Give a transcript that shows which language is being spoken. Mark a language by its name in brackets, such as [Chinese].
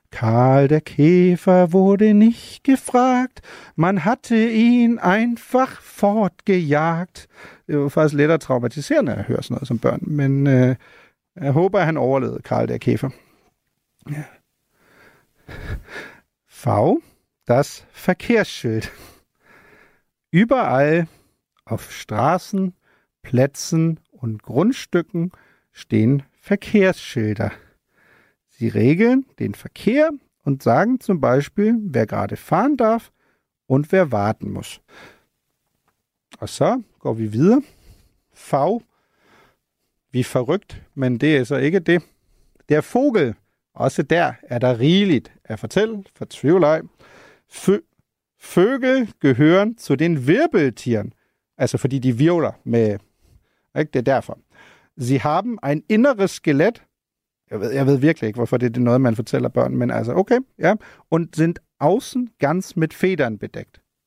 [German] Karl der Kæfer wurde nicht gefragt, man hatte ihn einfach fortgejagt. [Danish] Det var faktisk lidt traumatiserende at høre sådan noget som børn, men jeg håber, at han overlevede Karl der Kæfer. [German] V, das Verkehrsschild. Überall auf Straßen, Plätzen und Grundstücken stehen Verkehrsschilder. Sie regeln den Verkehr und sagen zum Beispiel, wer gerade fahren darf und wer warten muss. [Danish] Og så går vi videre. [German] V, wie verrückt, [Danish] men det er så ikke det. [German] Der Vogel. [Danish] Også der er der rigeligt at fortælle, for tvivl ej. [German] Føgel gehören zu den Wirbeltieren. [Danish] Altså fordi de virvler med... Ikke? Det er derfor. [German] Sie haben ein inneres Skelett. [Danish] Jeg ved virkelig ikke, hvorfor det er noget, man fortæller børn, men altså okay. Ja. [German] Und sind außen ganz mit Federn bedeckt.